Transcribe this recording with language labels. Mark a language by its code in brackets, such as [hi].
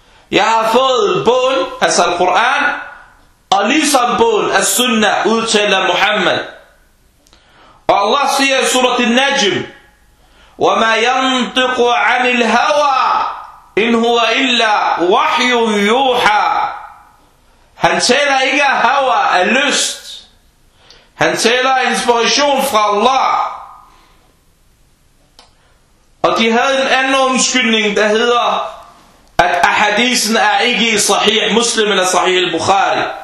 [da] Jeg har fået bogen, altså al-Qur'an, og ligesom bogen af sunnah, udtaler Muhammad. Og Allah siger i surat al-Najm, [ar] وَمَا يَنْطِقُ عَنِ الْهَوَىٰ إِنْ هُوَ إِلَّا وَحْيٌ يُوحَىٰ. [da] Han taler ikke af hawa, af lyst. Han taler af inspiration fra Allah. Og de havde en anden undskyldning, der hedder, at ahadisen er ikke i sahih muslim eller sahih al-Bukhari.